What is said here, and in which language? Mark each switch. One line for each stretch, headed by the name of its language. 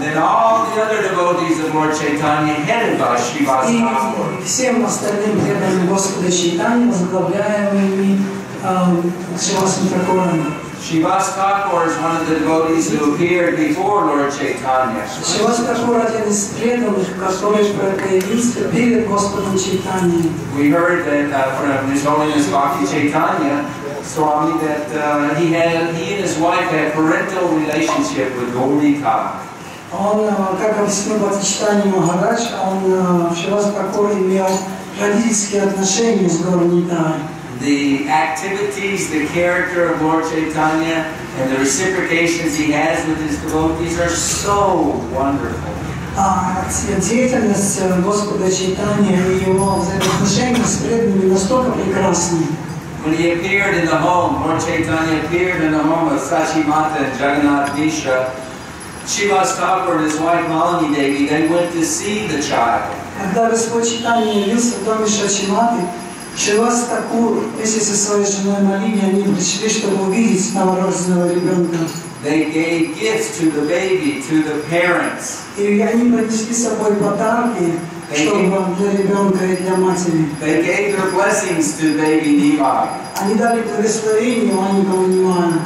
English: Then all the other devotees of Lord Chaitanya headed by Shri Vasudeva.
Russian: И всем остальным преданным Господа Чайтанья возглавляемыми Шри Васудевами.
English: Shivas Thakur is one of the devotees who appeared before Lord Chaitanya.
Russian: Shivas Thakur один из преданных, который появился перед Господом Чайтаньей.
English: We heard that from His Holiness Bhakti Chaitanya Swami that he and his wife had a parental relationship with Golika.
Russian: Он как объяснил Бхакти Чайтанья Махарадж, он Shivas Thakur имел родительские отношения с Горникой.
English: The activities, the character of Lord Chaitanya, and the reciprocations he has with his devotees are so wonderful.
Russian: Деятельность Господа Чайтанья и его взаимоотношения с преданными настолько прекрасны.
English: When he appeared in the home, Lord Chaitanya appeared in the home of Sachi Mata and Jagannath Mishra, Shivas Thakur and his wife Malini Devi, they went to see the child.
Russian: Когда Господь Чайтанья явился в доме Сачи Маты, Шивас Такур, вместе со своей женой Малини, они пришли, чтобы увидеть новорожденного ребенка.
English: They gave gifts to the baby, to the parents.
Russian: И они принесли с собой подарки, чтобы для ребенка и для матери.
English: They gave their blessings to baby Nivar.
Russian: Они дали благословение маленькому Нивару.